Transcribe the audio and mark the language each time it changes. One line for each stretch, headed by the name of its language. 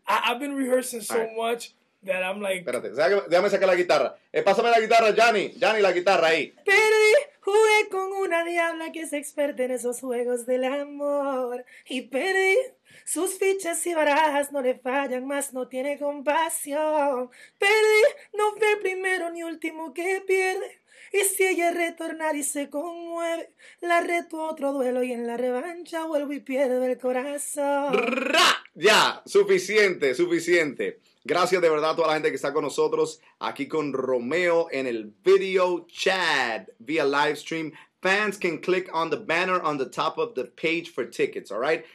English: I've been rehearsing so much that I'm like...
Spanish: Espérate, déjame sacar la guitarra. Pásame la guitarra, Johnny, la guitarra ahí. Perdí, jugué con una diabla que es experta en esos juegos del amor. Y perdí. Sus fichas y barajas no le fallan más, no tiene compasión. Perdí, no fue el primero ni último que pierde. Y si ella retornara y se conmueve, la reto a otro duelo y en la revancha vuelvo y pierdo el corazón. ¡Rá! Ya, suficiente. Gracias de verdad a toda la gente que está con nosotros aquí con Romeo en el video chat vía live stream.
English: Fans can click on the banner on the top of the page for tickets, all right?